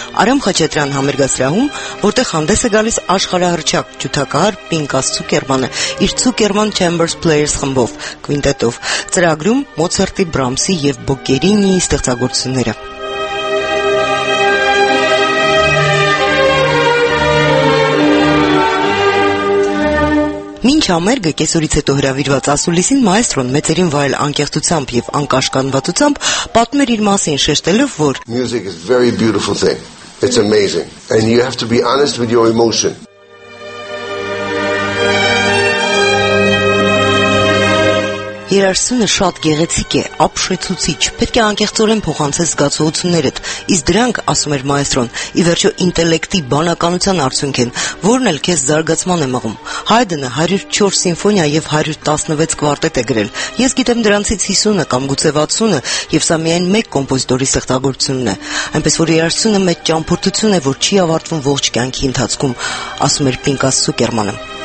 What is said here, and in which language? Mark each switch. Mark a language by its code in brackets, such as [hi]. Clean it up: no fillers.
[hy] Արամ Խաչատրյան համերգասրահում, որտեղ հանդես է գալիս աշխարհահռչակ ջութակահար Պինկաս Ցուկերմանը իր Ցուկերման Chambers Players խմբով, քվինտետով, ծրագրում Մոցարտի, Բրամսի և Բոկերինիի ստեղծագործ ները։ Մինչ համերգը կեսօրից հետո հրավիրված ասուլիսին մայստրոն մեծերին վայել անկեղծությամբ և անկաշկանդվածությամբ պատմում էր իր մասին, շեշտելով, որ [en] Music is very beautiful thing. It's amazing. And you have to be honest with your emotion. [hy] Երաժշտությունը շատ գեղեցիկ է, ապշեցուցիչ, պետք է անկեղծորեն փոխանցես զգացողություններդ, իսկ դրանք, ասում էր մայստրոն, ի վերջո ինտելեկտի բանականության արդյունք են, որն էլ քեզ զարգացման է մղում։ Հայդնը 104 սիմֆոնիա և 116 կվարտետ է գրել, ես գիտեմ դրանցից 50-ը կամ գուցե 60-ը, և սա միայն մեկ կոմպոզիտորի ստեղծագործությունն է, այնպես որ երաժշտությունը մեծ ճամփորդություն է, որ չի ավարտվում ողջ կյանքի ընթացքում, ասում էր Պինկաս Ցուկերմանը։